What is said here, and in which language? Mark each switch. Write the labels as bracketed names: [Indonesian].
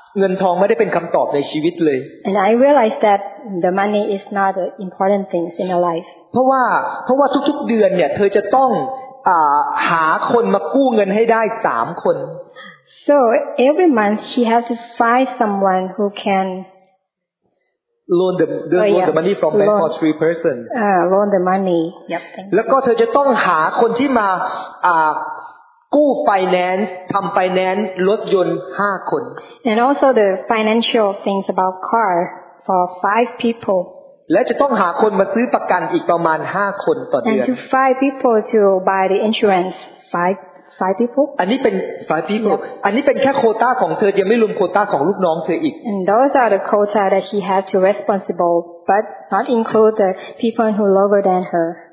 [Thai] ผมตระหนักว่าเงินทองไม่ได้เป็นคำตอบในชีวิตเลย [English] And I realized that the money is not an important thing in her life. [Thai] เพราะว่าทุกๆเดือนเนี่ยเธอจะต้องหาคนมากู้เงินให้ได้ 3 คน [English] So every month she has to find someone who can loan the money from bank for three person. And also the financial things about car for 5 people. [Thai] และจะต้องหาคนมาซื้อประกันอีกประมาณ 5 คนต่อเดือน [English] And to 5 people to buy the insurance 5 people. [Thai] อันนี้เป็น [English] 5 people. Yep. [Thai] อันนี้เป็นแค่โควต้าของเธอยังไม่รวมโควต้าของลูกน้องเธออีก [English] And those are the quota that she has to responsible but not include the people who lower than her.